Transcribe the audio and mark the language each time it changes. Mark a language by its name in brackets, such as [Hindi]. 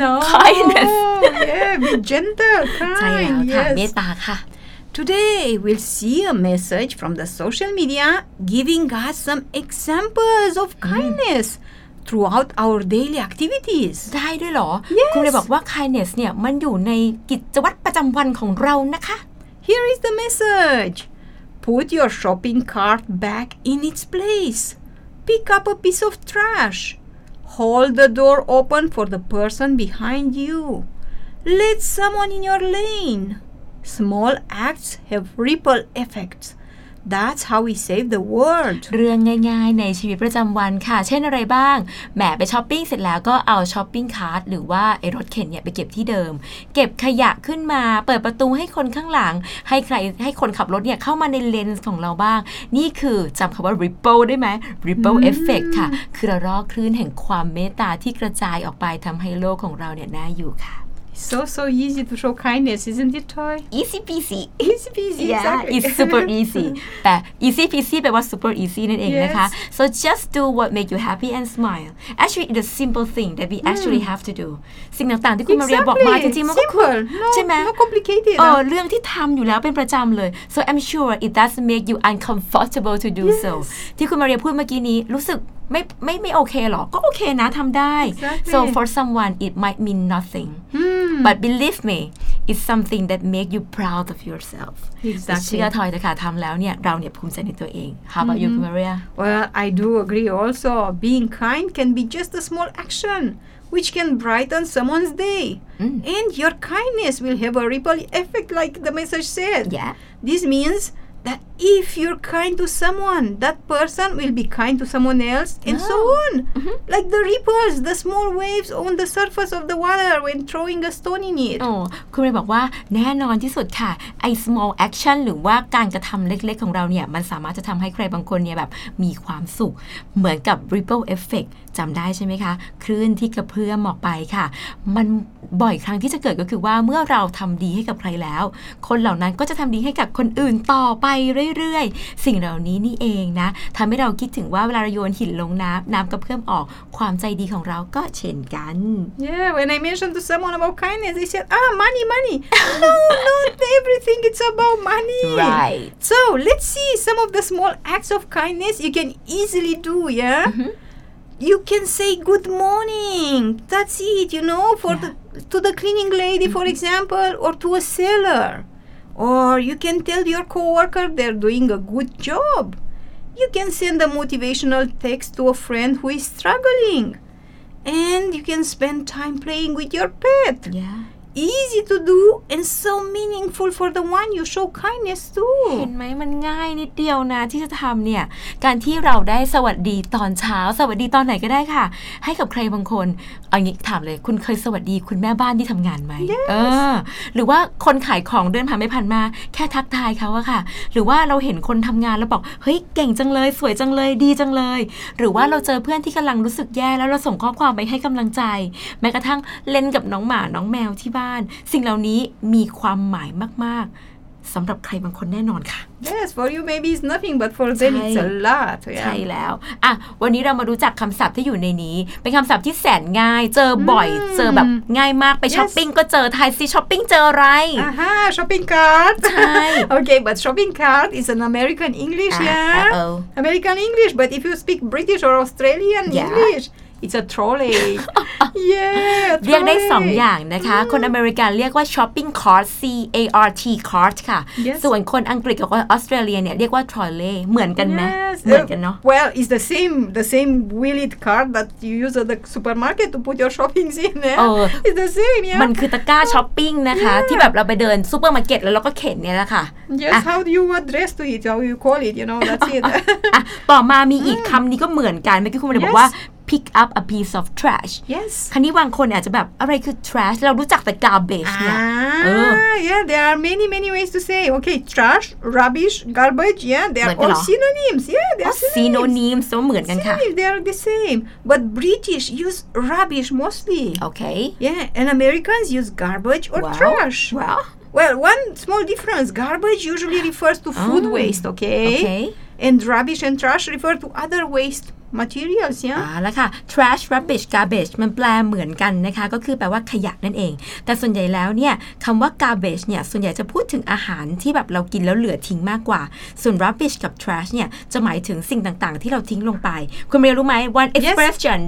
[English] no. kindness yeah be gentle kind [Thai] ใช่แล้วค่ะ [English] yes. [Thai] เมตตาค่ะ [English] Today we'll see a message from the social media giving us some examples of kindness. Throughout our daily activities [Thai] ได้ด้วยเหรอ [English] yes. [Thai] คุณเลยบอกว่า kindness เนี่ยมันอยู่ในกิจวัตรประจำวันของเรานะคะ [English] Here is the message Put your shopping cart back in its place Pick up a piece of trash Hold the door open for the person behind you Let someone in your lane Small acts have ripple effectsThat's how we save the world. [Thai] เรื่องง่ายๆในชีวิตประจำวันค่ะเช่นอะไรบ้างแหมไปช้อปปิ้งเสร็จแล้วก็เอาช้อปปิ้งคาร์ทหรือว่าไอ้รถเข็นเนี่ยไปเก็บที่เดิมเก็บขยะขึ้นมาเปิดประตูให้คนข้างหลังให้ใครให้คนขับรถเนี่ยเข้ามาในเลนส์ของเราบ้างนี่คือจำคำว่า ripple ได้ไหม ripple effect ค่ะคือระลอกคลื่นแห่งความเมตตาที่กระจายออกไปทำให้โลกของเราเนี่ยน่าอยู่ค่ะ [English] So easy to show kindness, isn't it, Toy? Easy peasy. Easy peasy, yeah, exactly. Yeah, it's super easy. But easy peasy, but what's super easy in English, yes. huh? So just do what makes you happy and smile. Actually, it's a simple thing that we actually have to do. [Thai] สิ่งต่างๆที่คุณมาเรียบอกมาจริงๆมันก็คือ [English] Simple, not complicated. [Thai] เรื่องที่ทำอยู่แล้วเป็นประจำเลย [English] So I'm sure it doesn't make you uncomfortable to do yes. so. [Thai] ที่คุณมาเรียพูดเมื่อกี้นี้รู้สึกไม่โอเคหรอก็โอเคนะทำได้ [English] exactly. so for someone it might mean nothing but believe me it's something that make you proud of yourself exactly [Thai] เชื่อทอยนะคะทำแล้วเนี่ยเราเนี่ยภูมิใจในตัวเอง [English] how about you Maria well I do agree also being kind can be just a small actionwhich can brighten someone's day. And your kindness will have a ripple effect like the message said. Yeah. This means that if you're kind to someone, that person will be kind to someone else and so on. Mm-hmm. Like the ripples, the small waves on the surface of the water when throwing a stone in it. [Thai] Oh, คุณเลยบอกว่าแน่นอนที่สุดค่ะไอ้ [English] small action [Thai] หรือว่าการกระทำเล็กๆของเราเนี่ยมันสามารถจะทำให้ใครบางคนเนี่ยแบบมีความสุขเหมือนกับ ripple effectจำได้ใช่ไหมคะคลื่นที่กระเพื่อมออกไปค่ะมันบ่อยครั้งที่จะเกิดก็คือว่าเมื่อเราทำดีให้กับใครแล้วคนเหล่านั้นก็จะทำดีให้กับคนอื่นต่อไปเรื่อยๆสิ่งเหล่านี้นี่เองนะทำให้เราคิดถึงว่าเวลาเราโยนหินลงน้ำกระเพื่อมออกความใจดีของเราก็เช่นกัน [English] Yeah when I mentioned to someone about kindness they said money no everything it's about money right so let's see some of the small acts of kindness you can easily do yeah mm-hmm. You can say good morning. That's it, you know, to the cleaning lady, mm-hmm. for example, or to a seller. Or you can tell your coworker they're doing a good job. You can send a motivational text to a friend who is struggling. And you can spend time playing with your pet. Yeah. easy to do and so meaningful for the one you show kindness to [Thai] เห็นไหมมันง่ายนิดเดียวนะที่จะทำเนี่ยการที่เราได้สวัสดีตอนเช้าสวัสดีตอนไหนก็ได้ค่ะให้กับใครบางคนเอางี้ถามเลยคุณเคยสวัสดีคุณแม่บ้านที่ทำงานไหม [English] yes. [Thai] หรือว่าคนขายของเดินผ่านไปผ่านมาแค่ทักทายเขาอะค่ะหรือว่าเราเห็นคนทำงานแล้วบอกเฮ้ยเก่งจังเลยสวยจังเลยดีจังเลยหรือว่าเราเจอเพื่อนที่กำลังรู้สึกแย่แล้วเราส่งข้อความไปให้กำลังใจแม้กระทั่งเล่นกับน้องหมาน้องแมวที่บ้านสิ่งเหล่านี้มีความหมายมากๆสำหรับใครบางคนแน่นอนค่ะ [English] Yes for you maybe it's nothing but for them it's a lot yeah. [Thai] ใช่แล้วอ่ะวันนี้เรามารู้จักคำศัพท์ที่อยู่ในนี้เป็นคำศัพท์ที่แสนง่ายเจอบ่อยเจอแบบง่ายมากไป [English] yes. [Thai] ช้อปปิ้งก็เจอทายซิช้อปปิ้งเจออะไร ช้อปปิ้งcart ใช่ [English] okay but shopping cart is an American English yeah Uh-oh. American English but if you speak British or Australian yeah. EnglishIt's a trolley. Yeah, [Thai] เรียกได้สองอย่างนะคะคนอเมริกันเรียกว่า shopping cart C A R T cart ค่ะส่ วนคนอังกฤษกับคนออสเตรเลียเนี่ยเรียกว่า trolley เหมือนกันไหมเหมือ นกันเนาะ [English] Well, it's the same wheeled cart that you use at the supermarket to put your shopping in. Yeah, it's the same. Yeah, [Thai] มันคือตะกร้าช้อปปิ้งนะคะที่แบบเราไปเดินซูเปอร์มาร์เก็ตแล้วเราก็เข็นเนี่ยแหละค่ะ [English] Yes, how do you address to it? How you call it? You know, that's it. [Thai] ต่อมามีอีกคำนี้ก็เหมือนกันเมื่อกี้คุณเลยบอกว่า [English] Pick up a piece of trash. Yes. [Thai] คราวนี้บางคนอาจจะแบบอะไรคือ trash เรารู้จักแต่ garbage เนี่ย [English] Yeah, there are many ways to say. Okay, trash, rubbish, garbage. Yeah, they are all synonyms. Yeah, they are synonyms. [Thai] So เหมือนกันค่ะ [English] They are the same. But British use rubbish mostly. Okay. Yeah, and Americans use garbage or trash. Well, one small difference. Garbage usually refers to food waste. Okay. Okay. And rubbish and trash refer to other waste. materials yeah [Thai] แล้วค่ะ trash rubbish garbage มันแปลเหมือนกันนะคะก็คือแปลว่าขยะนั่นเองแต่ส่วนใหญ่แล้วเนี่ยคำว่า garbage เนี่ยส่วนใหญ่จะพูดถึงอาหารที่แบบเรากินแล้วเหลือทิ้งมากกว่าส่วน rubbish กับ trash เนี่ยจะหมายถึงสิ่งต่างๆที่เราทิ้งลงไปคุณเรียนรู้ไหม [English] one expression